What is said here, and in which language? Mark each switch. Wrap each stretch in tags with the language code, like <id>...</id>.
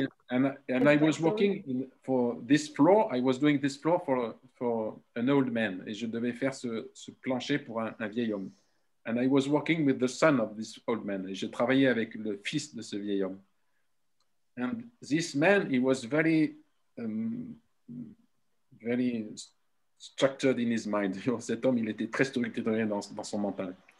<en>And I was working for this floor. I was doing this floor for an old man.</en> <fr>Et je devais faire ce plancher pour un vieil homme.</fr> <en>And I was working with the son of this old man.</en> <fr>Et je travaillais avec le fils de ce vieil homme.</fr> <en>And this man, he was very, very structured in his mind.</en> <fr>Cet homme, il était très structuré dans son mental.</fr>